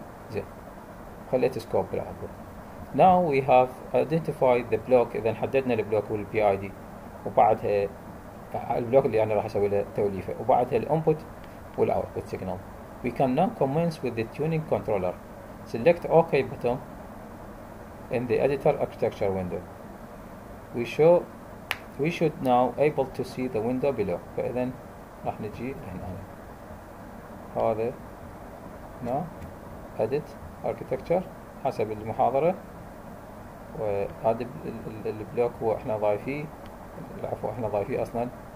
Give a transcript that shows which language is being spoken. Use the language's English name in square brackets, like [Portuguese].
[Arabic] زين، خليت سكوب بالاوتبوت. [English] Now we have identified the block. [Arabic] إذا حددنا البلوك والبي اي دي، وبعدها البلوك اللي أنا راح أسوي له توليفة، وبعدها الانبوت والاوتبوت سيجنال. [English] We can now commence with the tuning controller. Select OK button in the editor architecture window. We should now able to see the window below. [Arabic] فإذا راح نجي هنا هذا [English] now edit architecture [Arabic] حسب المحاضرة. وهذا البلوك هو احنا ضايفيه، عفوا احنا ضايفيه اصلا.